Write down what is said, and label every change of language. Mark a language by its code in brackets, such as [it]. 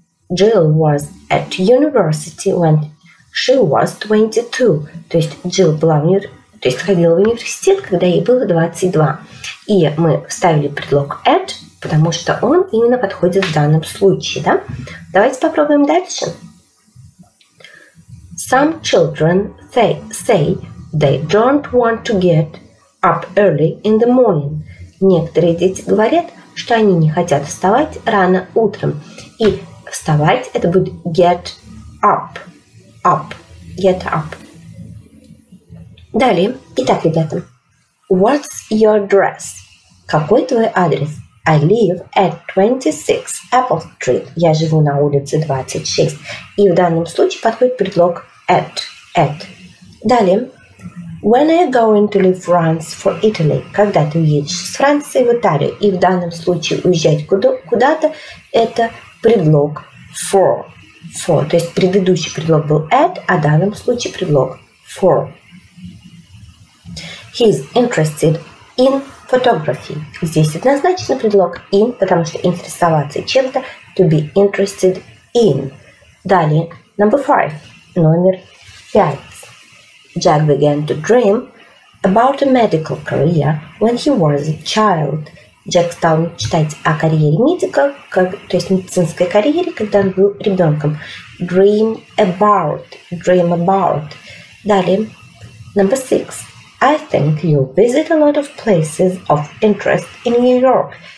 [en] Jill was at university when she was 22. [ru] То есть Jill была в университете. То есть ходила в университет, когда ей было 22. И мы вставили предлог at, потому что он именно подходит в данном случае. Да? Давайте попробуем дальше. [en] Some children say they don't want to get up early in the morning. [ru] Некоторые дети говорят, что они не хотят вставать рано утром. И вставать, это будет get up. Up. Get up. Далее. Итак, ребята. [en] What's your address? [ru] Какой твой адрес? [en] I live at 26 Apple Street. [ru] Я живу на улице 26. И в данном случае подходит предлог at. At. Далее. [en] When are you going to leave France for Italy? [ru] Когда ты уедешь с Франции в Италию? И в данном случае уезжать куда-то это предлог for. [en] For. [ru] То есть предыдущий предлог был at, а в данном случае предлог for. [en] He's interested in photography. [ru] Здесь однозначно предлог [en] in, [ru] потому что интересоваться чем-то, [en] to be interested in. [ru] Далее, [en] number five, [ru] номер пять. [en] Jack began to dream about a medical career when he was a child. [ru] Джек стал мечтать о карьере медика, то есть медицинской карьере, когда он был ребенком. [en] Dream about, dream about. [ru] Далее, [en] number six. I think you'll visit a lot of places of interest in New York.